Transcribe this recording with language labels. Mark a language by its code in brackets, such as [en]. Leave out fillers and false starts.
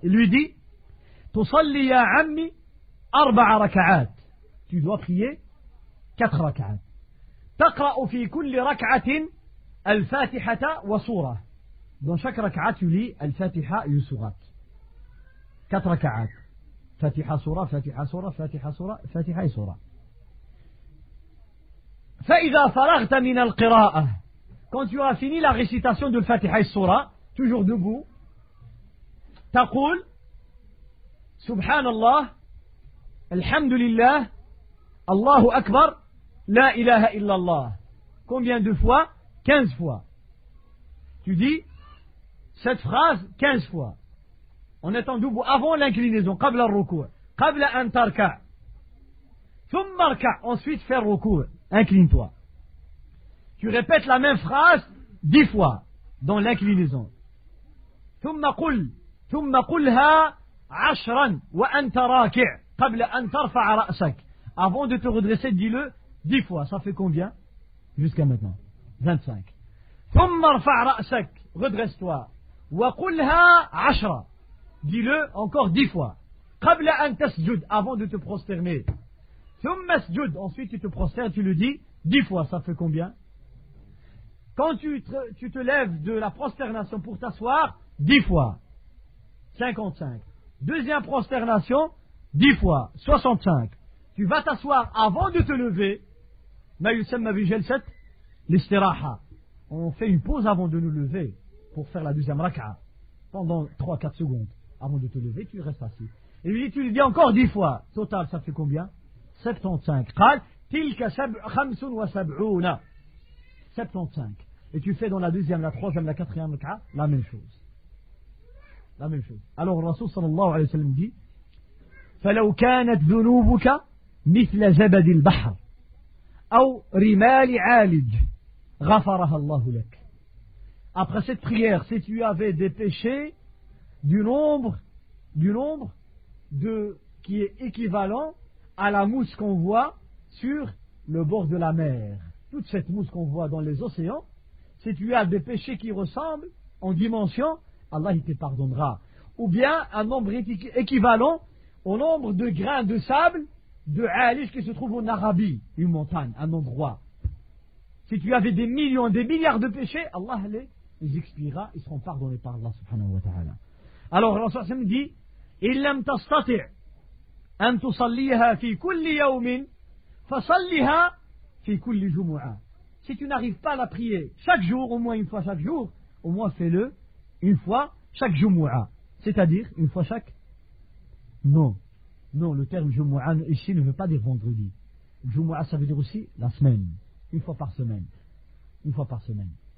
[fr] Il lui dit [ar] تصلي يا عمي أربع ركعات. [fr] Tu dois prier 4 ركعات. [ar] تقرأ في كل ركعة الفاتحة وسورة. [fr] Dans chaque raka'a, tu lis Al-Fatiha et une sourate. Quatre raka'a. Fatiha, surah, Fatiha, surah, Fatiha, surah, Fatiha et surah. [ar] فَإِذَا فَرَغْتَ مِنَ الْقِرَاءَ [fr] Quand tu as fini la récitation de Fatiha et surah, toujours debout, [ar] تقول سبحان الله الحمد لله الله أكبر لا إله إلا الله [fr] Combien de fois? 15 fois. Tu dis cette phrase 15 fois. En étant debout avant l'inclinaison, [ar] قبل الركوع. قبل أن تركع. ثم اركع. [fr] Ensuite fais الركوع. Incline-toi. Tu répètes la même phrase 10 fois dans l'inclinaison. [ar] ثم قل ثم قلها عشرا وأنت راكع قبل أن ترفع رأسك. [fr] Avant de te redresser, dis-le 10 fois. Ça fait combien? Jusqu'à maintenant. 25. [ar] ثم ارفع رأسك. [fr] Redresse-toi. [ar] وقلها عشرا. [fr] Dis-le encore 10 fois. [ar] قبل أن تسجد. [fr] Avant de te prosterner. [ar] ثم اسجد. [fr] Ensuite tu te prosternes, tu le dis 10 fois. Ça fait combien? Quand tu te lèves de la prosternation pour t'asseoir, 10 fois. 55. Deuxième prosternation, 10 fois. 65. Tu vas t'asseoir avant de te lever. [ar] Ma yusamma bi jalsat l'istiraha. [fr] On fait une pause avant de nous lever pour faire la deuxième raka'a. Pendant 3-4 secondes avant de te lever, tu restes assis. Et lui, tu lui dis encore 10 fois. Total, ça fait combien? 75. [ar] Qal, tilka 75. [fr] Et tu fais dans la deuxième, la troisième, la quatrième raka'a la même chose. La même chose. [ar] Alors, Rasoul sallallahu alayhi wa sallam dit: فَلَوْ كَانَتْ ذُنُوبُكَ مِثْلَ زَبَدِ الْبَحْرِ أَوْ رِمَالِ عَالِجِ غَفَرَهَ اللَّهُ لَكَ. [fr] Après cette prière, si tu avais des péchés du nombre de qui est équivalent à la mousse qu'on voit sur le bord de la mer, toute cette mousse qu'on voit dans les océans, si tu as des péchés qui ressemblent en dimension, Allah il te pardonnera. Ou bien un nombre équivalent au nombre de grains de sable de Alish qui se trouve en Arabie, une montagne, un endroit. Si tu avais des millions, des milliards de péchés, Allah les expiera, ils seront pardonnés par Allah subhanahu wa ta'ala. Alors Rasul Hassan dit: [ar] إِلْ لَمْ تَسْتَطِعْ أَنْ تُصَلِّيهَا فِي كُلِّ يَوْمٍ فَصَلِّيهَا فِي كُلِّ جُمُعَةٍ. [fr] Si tu n'arrives pas à la prier chaque jour, au moins une fois chaque jour, au moins fais-le une fois chaque jumu'a. C'est-à-dire une fois chaque... Non, le terme jumu'a ici ne veut pas dire vendredi. Jumu'a ça veut dire aussi la semaine. Une fois par semaine.